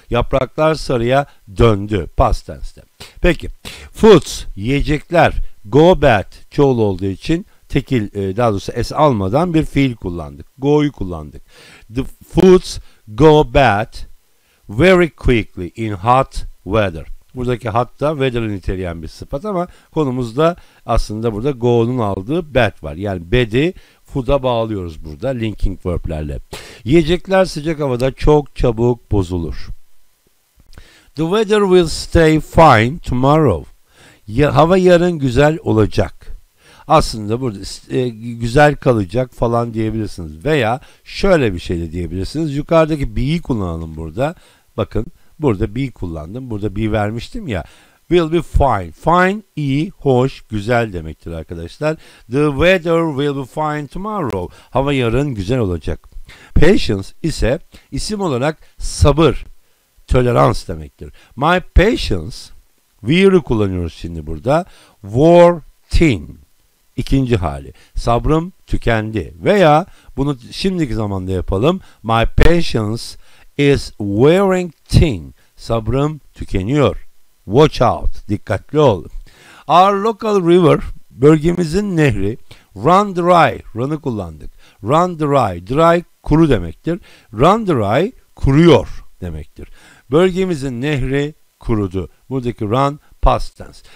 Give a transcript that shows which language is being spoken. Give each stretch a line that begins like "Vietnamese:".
Turkish: Yapraklar sarıya döndü. Past tense'de. Peki. Foods. Yiyecekler. Go bad. Çoğul olduğu için tekil, daha doğrusu s almadan bir fiil kullandık. Go'yu kullandık.
English: The foods go bad very quickly in hot weather.
Turkish: Buradaki hot da weather'ı niteleyen bir sıfat ama konumuzda aslında burada go'nun aldığı bad var. Yani bad'i food'a bağlıyoruz burada linking verb'lerle. Yiyecekler sıcak havada çok çabuk bozulur.
English: The weather will stay fine tomorrow.
Turkish: Hava yarın güzel olacak. Aslında burada güzel kalacak falan diyebilirsiniz. Veya şöyle bir şey de diyebilirsiniz. Yukarıdaki be'yi kullanalım burada. Bakın burada be kullandım. Burada be vermiştim ya.
English: Will be fine.
Turkish: Fine, iyi, hoş, güzel demektir arkadaşlar.
English: The weather will be fine tomorrow.
Turkish: Hava yarın güzel olacak. Patience ise isim olarak sabır, tolerans demektir.
English: My patience,
Turkish: we'yi kullanıyoruz şimdi burada. Wore thin. İkinci hali. Sabrım tükendi. Veya bunu şimdiki zamanda yapalım.
English: My patience is wearing thin.
Turkish: Sabrım tükeniyor.
English: Watch out.
Turkish: Dikkatli ol.
English: Our local river,
Turkish: bölgemizin nehri,
English: run dry.
Turkish: Run'ı kullandık.
English: Run dry.
Turkish: Dry kuru demektir. Run dry kuruyor demektir. Bölgemizin nehri kurudu. Buradaki run past tense.